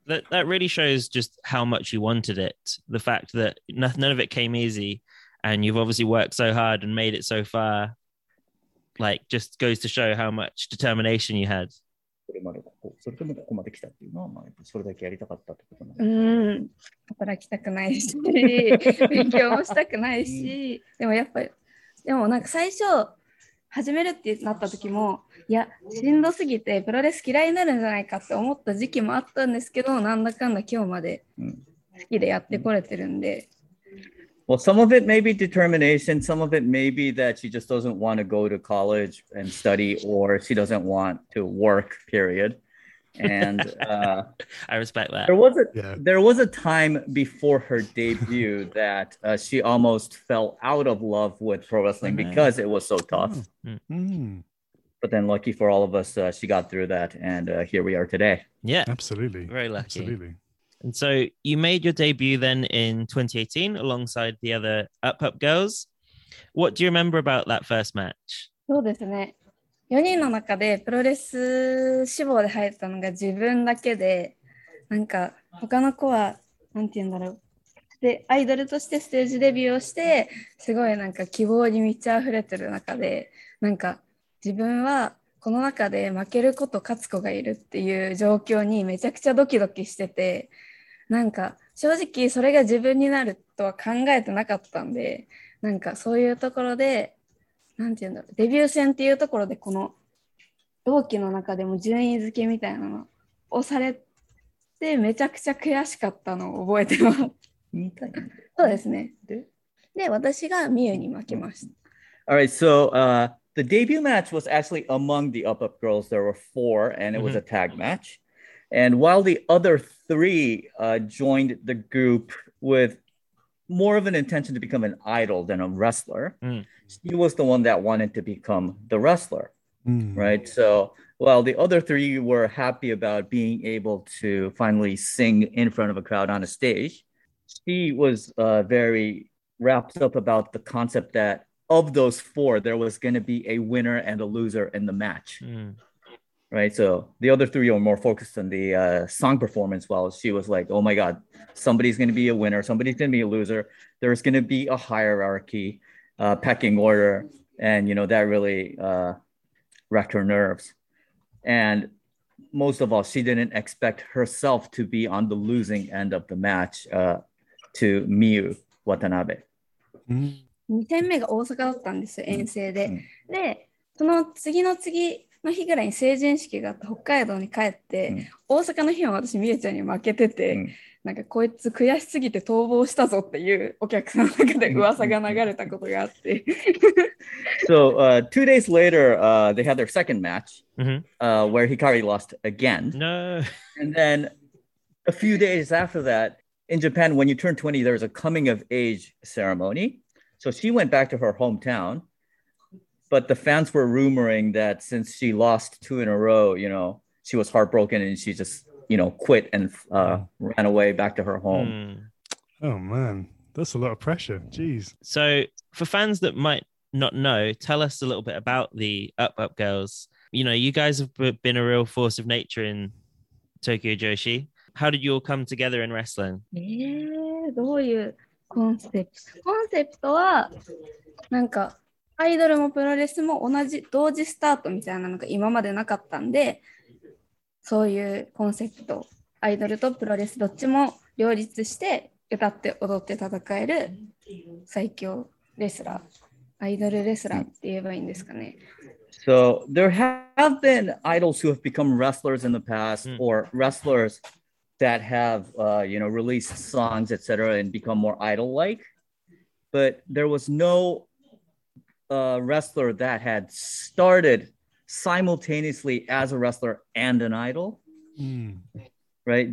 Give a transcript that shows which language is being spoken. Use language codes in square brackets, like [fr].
[en] That really shows just how much you wanted it. The fact that none of it came easy and you've obviously worked so hard and made it so far, like, just goes to show how much determination you had. [ja] それでもここまで来たっていうのは、まあ、それだけやりたかったってことなの。うん。働きたくないし、勉強もしたくないし、でもやっぱり、でもなんか最初始めるってなった時もいやしんどすぎてプロレス嫌いになるんじゃないかって思った時期もあったんですけどなんだかんだ今日まで好きでやってこれてるんで。 [en] Well, some of it may be determination. Some of it may be that she just doesn't want to go to college and study or she doesn't want to work, period. And I respect that. There was a time before her debut that she almost fell out of love with pro wrestling because it was so tough. But then lucky for all of us, she got through that. And here we are today. Yeah, absolutely. Very lucky. Absolutely. And so you made your debut then in 2018 alongside the other Up Up girls. What do you remember about that first match? [ja] そうですね。 4人の中でプロレス志望で入ったのが自分だけで、なんか他の子は、なんて言うんだろう。で、アイドルとしてステージデビューをして、すごいなんか希望に満ち溢れてる中で、なんか自分はこの中で負けること勝つ子がいるっていう状況にめちゃくちゃドキドキしてて、なんか正直それが自分になるとは考えてなかったんで、なんかそういうところで、なんていうんだろう、デビュー戦っていうところでこの同期の中でも順位付けみたいなのをされてめちゃくちゃ悔しかったのを覚えてます。 2対 2。 そうですね。で、私がミユに負けました。 [en] All right, so, the debut match was actually among the up-up girls. There were four, and it was a tag match. And while the other three joined the group with more of an intention to become an idol than a wrestler, she was the one that wanted to become the wrestler, right? So while the other three were happy about being able to finally sing in front of a crowd on a stage, she was very wrapped up about the concept that of those four, there was going to be a winner and a loser in the match. Right. So the other three were more focused on the song performance, while she was like, oh, my God, somebody's going to be a winner. Somebody's going to be a loser. There's going to be a hierarchy, pecking order. And, you know, that really wrecked her nerves. And most of all, she didn't expect herself to be on the losing end of the match to Miyu Watanabe. Mm-hmm. [ja] 2戦目が大阪だったんですよ、遠征で。で、その次の次の日ぐらいに成人式があって、北海道に帰って、大阪の日は私、みゆちゃんに負けてて、なんかこいつ悔しすぎて逃亡したぞっていうお客さんの中で噂が流れたことがあって。 [en] So, two days later, they had their second match, where Hikari lost again. No. And then, a few days after that, in Japan, when you turn 20, there's a coming of age ceremony. So she went back to her hometown, but the fans were rumoring that since she lost two in a row, you know, she was heartbroken and she just, you know, quit and ran away back to her home. Oh, man, that's a lot of pressure. Jeez. So for fans that might not know, tell us a little bit about the Up Up Girls. You know, you guys have been a real force of nature in Tokyo Joshi. How did you all come together in wrestling? Yeah, how you... [ja] コンセプトはなんかアイドルもプロレスも同じ同時スタートみたいなのが今までなかったんで、そういうコンセプト、アイドルとプロレスどっちも両立して歌って踊って戦える最強レスラー、アイドルレスラーって言えばいいんですかね。 [en] So there have been idols who have become wrestlers in the past or wrestlersthat have, you know, released songs, et cetera, and become more idol-like. But there was no wrestler that had started simultaneously as a wrestler and an idol, right?